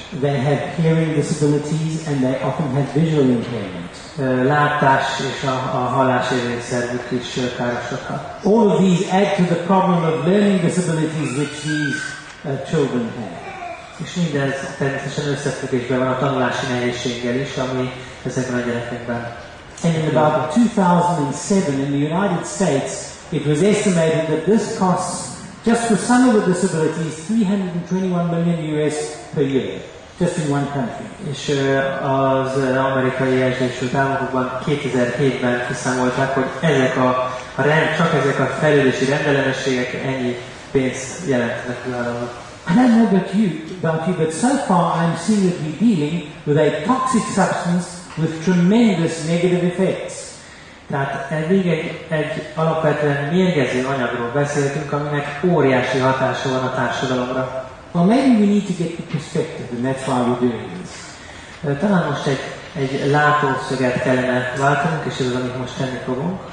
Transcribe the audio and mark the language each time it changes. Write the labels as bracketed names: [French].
[English] They have hearing disabilities and they often have visual impairment. [Hungarian] Látás és a hallásérzékszervük is károsodhat. [English] All of these add to the problem of learning disabilities which these children have. [Hungarian] És mindez természetesen összefüggésben van a tanulási nehézséggel is, ami ezekben a gyerekekben. [English] And in about 2007 in the United States, it was estimated that this costs, just for some of the disabilities, $321 million per year, just in one country. [Hungarian] És az Amerikai Egyesült Államokban 2007-ben kiszámolták, hogy ezek csak ezek a fejlődési rendellenességek ennyi pénzt jelentnek különböző. [English] I don't know about you, but so far I'm seeing that we're dealing with a toxic substance with tremendous negative effects. [Hungarian] Tehát eddig egy alapvetően mérgező anyagról beszéltünk, aminek óriási hatása van a társadalomra. [English] Well, maybe we need to get the perspective, and that's why we're doing this. [Hungarian] Talán most egy látószöget kellene váltanunk, és ez az, amit most tenni fogunk.